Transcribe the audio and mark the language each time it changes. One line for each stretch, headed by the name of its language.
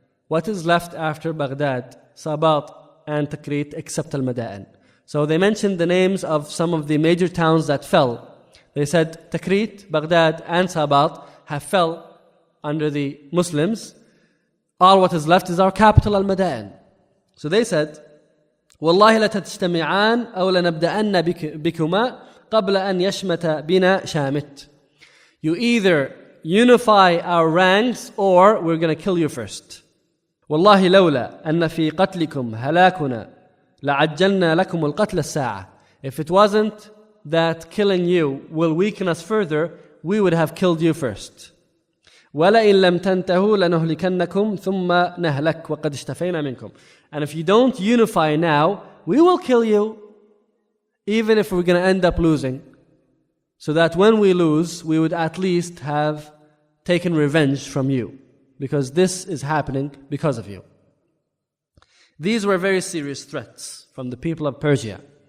English: What is left after Baghdad, Sabat, and Tikrit except al-Mada'in? So they mentioned the names of some of the major towns that fell. They said Tikrit, Baghdad, and Sabat have fell under the Muslims. All what is left is our capital al-Mada'in. So they said,
Arabic: وَاللَّهِ لَتَتْجْتَمِعَانَ أَوْ لَنَبْدَأَنَّ بِكُمَا قَبْلَ أَنْ يَشْمَتَ بِنَا شَامِتْ.
English: You either unify our ranks or we're going to kill you first.
Arabic: والله لولا أن في قتلكم هلاكنا لعجلنا لكم القتل الساعة.
English: If it wasn't that killing you will weaken us further, we would have killed you first.
Arabic: ولئن لم تنتهوا لنهلكنكم ثم نهلك وقد اشتفينا منكم.
English: And if you don't unify now, we will kill you, even if we're going to end up losing, so that when we lose, we would at least have taken revenge from you. Because this is happening because of you. These were very serious threats from the people of Persia.